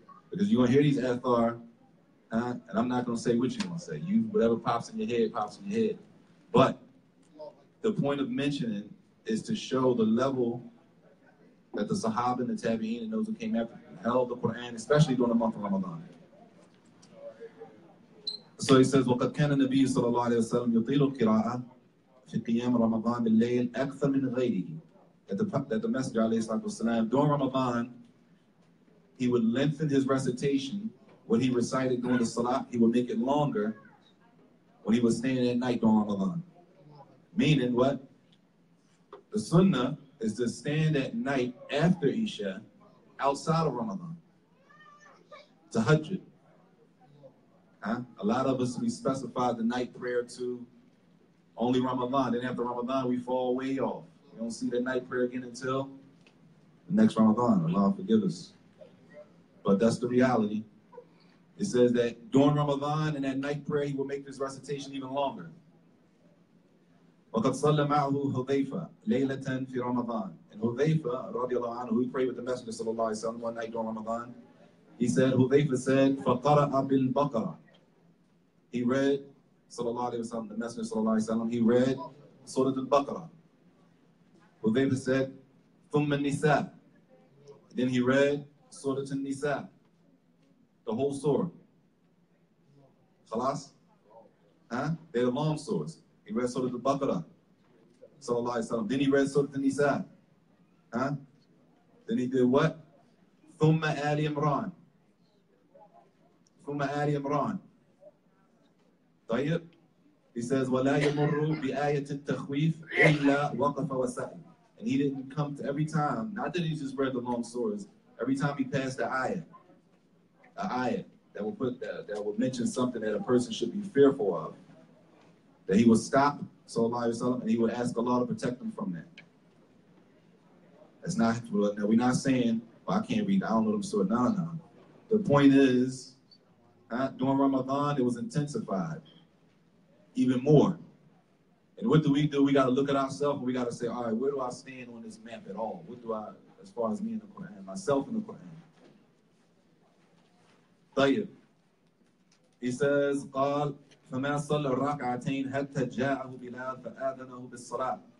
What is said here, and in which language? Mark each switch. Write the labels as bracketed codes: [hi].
[en] Because you're gonna hear these athar, huh? And I'm not gonna say what you're gonna say. You, whatever pops in your head, pops in your head. But the point of mentioning is to show the level that the Sahaba and the Tabi'een and those who came after held the Quran, especially during the month of Ramadan. So he says, [ar] وَقَدْ كَانَ النَّبِيُّ صَلَى اللَّهُ عَلَيْهِ وَسَلَّمُ يُطِيلُ الْقِرَاءَ فِي قِيَامِ رَمَضَانِ بِاللَّيْلِ أَكْثَرَ مِنْ غَيْرِهِ. [en] That the Messenger, alayhi salatu wasalam, during Ramadan, he would lengthen his recitation. What he recited during the salat, he would make it longer when he was staying at night during Ramadan. Meaning what? The sunnah is to stand at night after Isha, outside of Ramadan, to Hajjit. Huh? A lot of us, we specify the night prayer to only Ramadan. Then after Ramadan, we fall way off. We don't see the night prayer again until the next Ramadan. Allah forgive us. But that's the reality. It says that during Ramadan and at night prayer, he will make this recitation even longer. [ar] وَقَدْ صَلَّ مَعْهُ هُذَيْفَ لَيْلَةً فِي رَمَضَانِ. [en] And هُذَيْفَ رَضِيَ اللَّهُ عَنْهُ, he prayed with the Messenger صلى الله عليه وسلم one night during Ramadan. He said, هُذَيْفَ said, [ar] فَقَرَأَ بِالْبَقَرَ. [en] He read, صلى الله عليه وسلم, the Messenger صلى الله عليه وسلم, he read Surah Al-Baqarah. [ar] هُذَيْفَ [en] said, [ar] ثُمَّ النِّسَى. [en] Then he read Surah An-Nisa, the whole surah. Khalas? Huh? They're the long surahs. He read Surah Al-Baqarah, sallallahu alayhi wa sallam. Then he read Surah An-Nisa. Huh? Then he did what? [ar] Thumma Ali Imran. Thumma Ali Imran. Tayyib? [en] He says, [ar] وَلَا يَمُرُّ بِآيَةِ التَّخْوِيفِ إِلَّا وَقَفَ وَسَأَلٍ. [en] And he didn't come to every time, not that he just read the long surahs, every time he passed the ayah that will mention something that a person should be fearful of, that he will stop sallallahu alayhi wa sallam, and he would ask Allah to protect him from that. That's not, now we're not saying, well, I can't read, I don't know them surah, no, no. The point is, during Ramadan, it was intensified even more. And what do? We got to look at ourselves, and we got to say, all right, where do I stand on this map at all? What do I, as far as me in the Quran, myself in the Quran? Tayyib. He says, [ar] قال فما صلى ركعتين حتى جاءه بلال فأذنه بالصلاة.